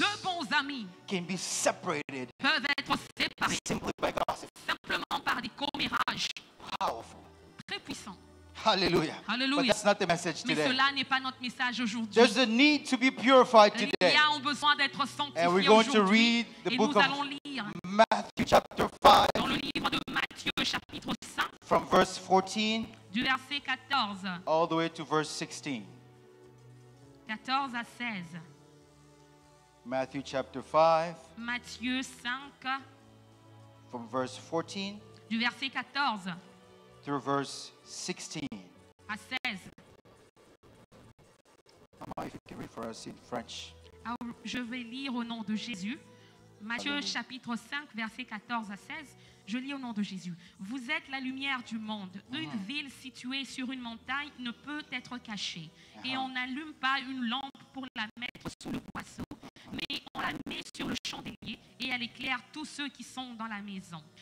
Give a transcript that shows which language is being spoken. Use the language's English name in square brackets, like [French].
[French] deux bons amis [English] can be separated [French] peuvent être séparés [English] simply by gossip. [French] Simplement par des commérages. [English] Powerful. [French] Très puissant. [English] Hallelujah. [French] Hallelujah. [English] But that's not the message today. [French] Mais cela n'est pas notre message aujourd'hui. [English] There's a need to be purified today. [French] Il y a un besoin d'être sanctifié aujourd'hui. [English] And we're going to read the book of Matthew chapter 5. [French] Dans le livre de Matthieu, chapitre 5. [English] From verse 14. [French] Du verset 14. [English] All the way to verse 16. [French] 14 à 16. [English] Matthew chapter 5. [French] Matthieu 5. [English] from verse 14 [French] du verset 14 [English] through verse 16 [French] à 16. [English] If you can read for us in French. [French] Alors, je vais lire au nom de Jésus. Matthieu chapitre 5, versets 14 à 16, je lis au nom de Jésus. Vous êtes la lumière du monde. Une ville située sur une montagne ne peut être cachée. Et on n'allume pas une lampe pour la mettre sous le boisseau, mais on la met sur le chandelier et elle éclaire tous ceux qui sont dans la maison.